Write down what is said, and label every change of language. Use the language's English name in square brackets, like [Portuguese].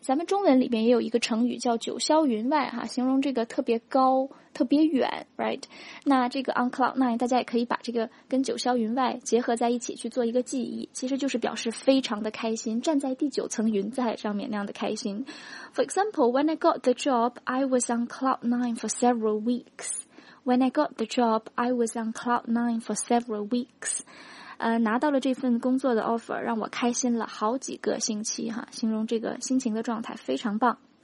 [Chinese] 咱们中文里面也有一个成语叫九霄云外哈，形容这个特别高特别远， right？那这个 on cloud nine， 大家也可以把这个跟九霄云外结合在一起去做一个记忆，其实就是表示非常的开心，站在第九层云彩上面那样的开心。 [English] For example， when I got the job I was on cloud nine for several weeks。 When I got the job I was on cloud nine for several weeks。 [Chinese] 拿到了这份工作的 offer， 让我开心了好几个星期哈，形容这个心情的状态非常棒。